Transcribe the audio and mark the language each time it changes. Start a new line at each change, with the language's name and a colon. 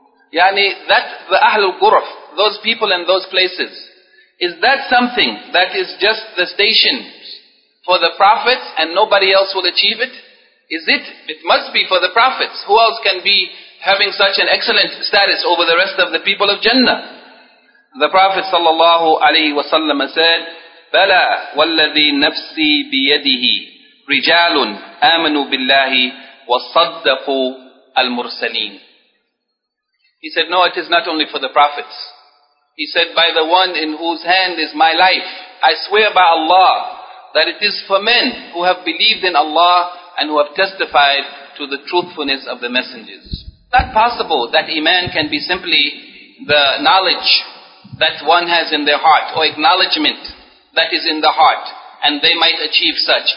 English: Yani, that the Ahlul Ghuraf, those people in those places, is that something that is just the station for the prophets and nobody else will achieve it? Is it? It must be for the prophets. Who else can be having such an excellent status over the rest of the people of Jannah? The Prophet
Arabic: sallallahu alayhi wa sallam
English: said,
Arabic: بَلَا وَالَّذِي نَفْسِي بِيَدِهِ رِجَالٌ آمَنُوا بِاللَّهِ وَصَدَّقُوا الْمُرْسَلِينَ.
English: He said, no, it is not only for the prophets. He said, by the one in whose hand is my life, I swear by Allah that it is for men who have believed in Allah and who have testified to the truthfulness of the messengers. It's not possible that iman can be simply the knowledge that one has in their heart or acknowledgement that is in the heart and they might achieve such.